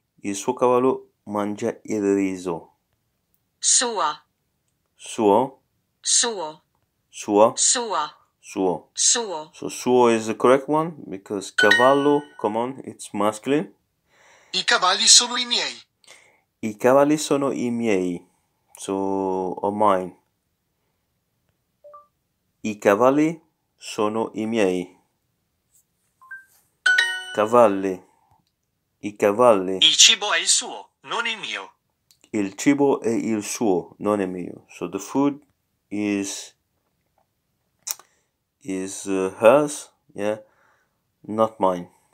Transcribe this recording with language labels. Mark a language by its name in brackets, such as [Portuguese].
[Italian] Il suo cavallo mangia il riso. Sua. Suo. Suo. Sua. Sua. Suo. Suo. [English] So suo is the correct one because cavallo, come on, it's masculine. [Italian] I cavalli sono i miei. I cavalli sono i miei, [English] so o mine. [Italian] I cavalli sono i miei. Cavalli. I cavalli. Il cibo è il suo, non il mio. Il cibo è il suo, non è mio. [English] So the food is hers, yeah, not mine.